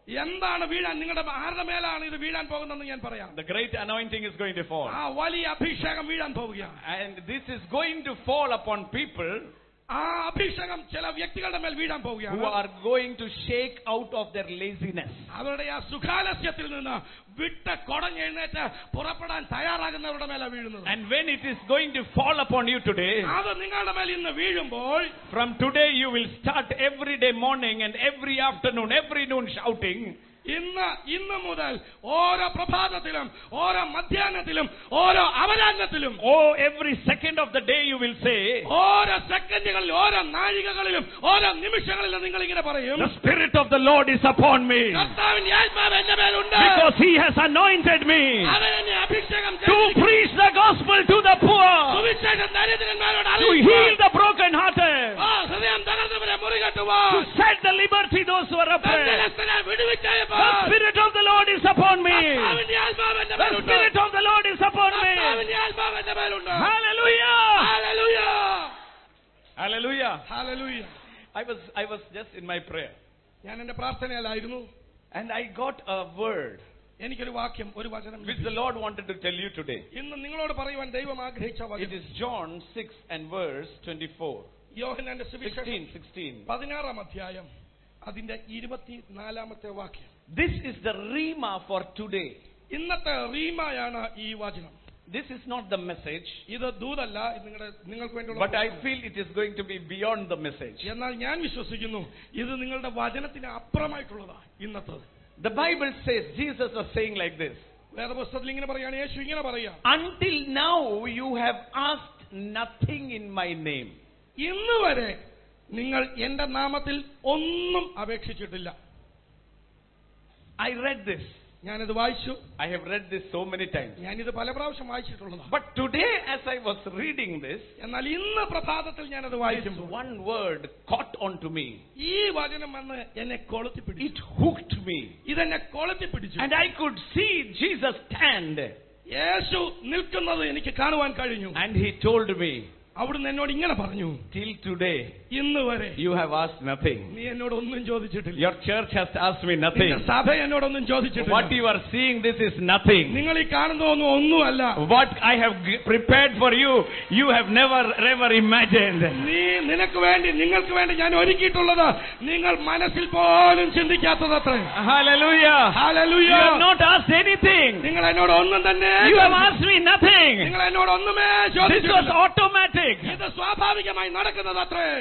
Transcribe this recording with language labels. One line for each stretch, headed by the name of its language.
Malayalam: എന്താണ് വീഴാൻ നിങ്ങളുടെ ആരുടെ മേലാണ് ഇത് വീഴാൻ പോകുന്നതെന്ന് ഞാൻ പറയാം.
English: The great anointing is going to fall.
Malayalam: ആ വലിയ അഭിഷേകം വീഴാൻ പോവുകയാണ്.
English: And this is going to fall upon people.
Malayalam: ആ അഭിഷേകം ചില വ്യക്തികളുടെ മേൽ വീഴാൻ പോവുകയാണ്.
English: Who are going to shake out of their laziness.
Malayalam: അവരുടെ ആ സുഖാലസ്യത്തിൽ നിന്ന് വിട്ട കുടഞ്ഞെഴുന്നേറ്റ് പുറപ്പെടാൻ തയ്യാറാകുന്നവരുടെ മേലാണ് വീഴുന്നത്.
English: And when it is going to fall upon you today,
Malayalam: അത് നിങ്ങളുടെ മേൽ ഇന്ന് വീഴുമ്പോൾ,
English: from today you will start every day morning and every afternoon, every noon shouting.
Malayalam: ഇന്ന് മുതൽ ഓരോ പ്രഭാതത്തിലും ഓരോ മധ്യാഹ്നത്തിലും ഓരോ അവരാഹ്നത്തിലും,
English: oh every second of the day you will say,
Malayalam: ഓരോ സെക്കൻഡുകളിലും ഓരോ നാഴികകളിലും ഓരോ നിമിഷങ്ങളിലും നിങ്ങൾ ഇങ്ങനെ പറയും,
English: the spirit of the Lord is upon me,
Malayalam: കർത്താവിന്റെ ആത്മാവ് എന്റെ മേലുണ്ട്,
English: because he has anointed me,
Malayalam: അവൻ എന്നെ അഭിഷേകം ചെയ്തു,
English: to preach the gospel to the poor,
Malayalam: സുവിശേഷം ദരിദ്രന്മാരോട് അറിയിക്കുക,
English: to heal the broken hearted,
Malayalam: ഓ ഹൃദയം തകർന്നവരെ മുറികെട്ടുവാൻ,
English: to set the liberty those who are oppressed,
Malayalam: ബന്ധനത്തിൽ വിടുവിച്ച
English: The spirit of the Lord is upon me. The spirit of the Lord is upon me. Hallelujah. Hallelujah. Hallelujah. Hallelujah. I was just in my prayer.
Malayalam: ഞാൻ എന്റെ പ്രാർത്ഥനയിലായിരുന്നു.
English: And I got a word.
Malayalam: എനിക്കൊരു വാക്യം, ഒരു വചനം,
English: which the Lord wanted to tell you today.
Malayalam: ഇന്ന് നിങ്ങളോട് പറയുവാൻ ദൈവം ആഗ്രഹിച്ച വചനം.
English: It is John 6 and verse 24.
Malayalam: യോഹന്നാന്റെ സുവിശേഷം 16. 16ാം അധ്യായം അതിന്റെ 24ാമത്തെ വാക്യം.
English: This is the rhema for today.
Malayalam: ഇന്നത്തെ റീമയാണ് ഈ വചനം.
English: This is not the message.
Malayalam: ഇത് ദൂതല്ല നിങ്ങൾക്ക് വേണ്ടിയുള്ള.
English: But I feel it is going to be beyond the message.
Malayalam: എന്നാൽ ഞാൻ വിശ്വസിക്കുന്നു ഇത് നിങ്ങളുടെ വചനത്തിന് അപ്പുറമായിട്ടുള്ളതാണ് ഇന്നത്തെ.
English: The Bible says Jesus was saying like this.
Malayalam: വേദപുസ്തകത്തിൽ ഇങ്ങനെ പറയാണ് യേശു ഇങ്ങനെ പറയാ.
English: Until now you have asked nothing in my name.
Malayalam: ഇന്നുവരെ നിങ്ങൾ എന്റെ നാമത്തിൽ ഒന്നും അപേക്ഷിച്ചിട്ടില്ല.
English: I read this.
Malayalam: ഞാനിത് വായിച്ചു.
English: I have read this so many times.
Malayalam: ഞാനിത് പല പ്രാവശ്യം വായിച്ചിട്ടുള്ളതാണ്.
English: But today as I was reading this,
Malayalam: എന്നാൽ ഇന്ന് പ്രഭാതത്തിൽ ഞാനത് വായിക്കുമ്പോൾ,
English: one word caught on to me.
Malayalam: ഈ വചനം വന്ന് എന്നെ കൊളുത്തിപ്പിടിച്ചു.
English: It hooked me.
Malayalam: ഇതെന്നെ കൊളുത്തിപ്പിടിച്ചു.
English: And I could see Jesus stand.
Malayalam: യേശു നിൽക്കുന്നത് എനിക്ക് കാണുവാൻ കഴിഞ്ഞു.
English: And he told me,
Malayalam: അവിടുന്ന് എന്നോട് ഇങ്ങനെ പറഞ്ഞു,
English: till today
Malayalam: ഇന്ന് വരെ,
English: you have asked nothing.
Malayalam: നീ എന്നോട് ഒന്നും ചോദിച്ചിട്ടില്ല.
English: Your church has asked me nothing.
Malayalam: നിന്റെ സഭ എന്നോട് ഒന്നും ചോദിച്ചിട്ടില്ല.
English: What you are seeing, this is nothing.
Malayalam: നിങ്ങൾ ഈ കാണുന്നതൊന്നും ഒന്നുമല്ല.
English: What I have prepared for you, you have never ever imagined.
Malayalam: നീ നിനക്ക് വേണ്ടി നിങ്ങൾക്ക് വേണ്ടി ഞാൻ ഒരുക്കിയിട്ടുള്ളത് നിങ്ങൾ മനസ്സിൽ പോലും ചിന്തിക്കാത്തതത്രേ.
English: Hallelujah. Hallelujah. You have not asked anything.
Malayalam: നിങ്ങൾ എന്നോട് ഒന്നും തന്നെ,
English: you have asked me nothing.
Malayalam: നിങ്ങൾ എന്നോട് ഒന്നുമേ ചോദിച്ചിട്ടില്ല.
English: This was automatic.
Malayalam: ഇത് സ്വാഭാവികമായി നടക്കുന്നതത്രേ.